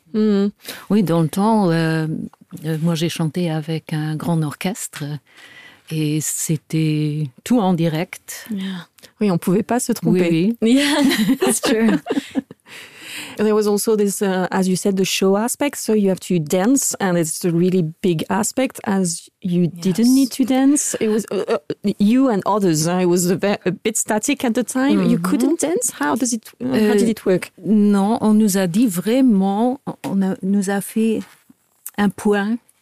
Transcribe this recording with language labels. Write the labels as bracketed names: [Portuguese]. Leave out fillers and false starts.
[French] Oui, dans le temps, moi, j'ai chanté avec un grand orchestre. Et c'était tout en direct. Yeah. Oui, on ne pouvait pas se tromper. Oui, oui. [English] Yeah, that's true. There was also this, as you said, the show aspect. So you have to dance, and it's a really big aspect, as you didn't need to dance. It was you and others. It was a bit static at the time. You couldn't dance. How did it work? [French] Non, on nous a dit vraiment, on nous a fait un point.